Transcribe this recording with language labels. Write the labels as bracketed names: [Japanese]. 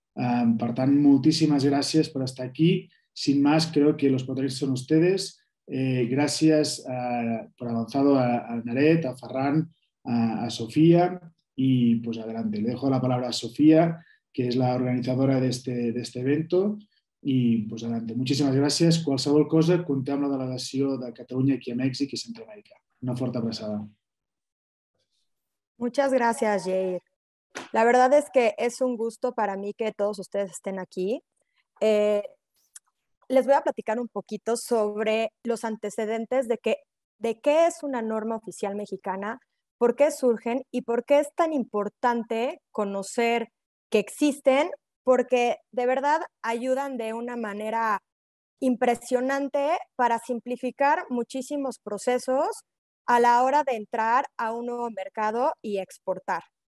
[Catalan] Per tant, moltíssimes gràcies per estar aquí. [Spanish] Sin más, creo que los patrones son ustedes. [Catalan] Gràcies per avançar-ho a Naret, a Ferran, a Sofía i, [Spanish] pues, adelante. Le dejo la palabra a Sofía, que és la organitzadora d'este evento, i, pues, adelante. [Catalan] Moltíssimes gràcies. Qualsevol cosa, compteu amb la delegació de Catalunya aquí a Mèxic i Centroamèrica. Una forta abraçada. [Spanish] Muchas gracias, Jair. La verdad es que es un gusto para mí que todos ustedes estén aquí. Les voy a platicar un poquito sobre los antecedentes de qué es una norma oficial mexicana por qué surgen y por qué es tan importante conocer que existen, porque de verdad ayudan de una manera impresionante para simplificar muchísimos procesos a la hora de entrar a un nuevo mercado y exportar.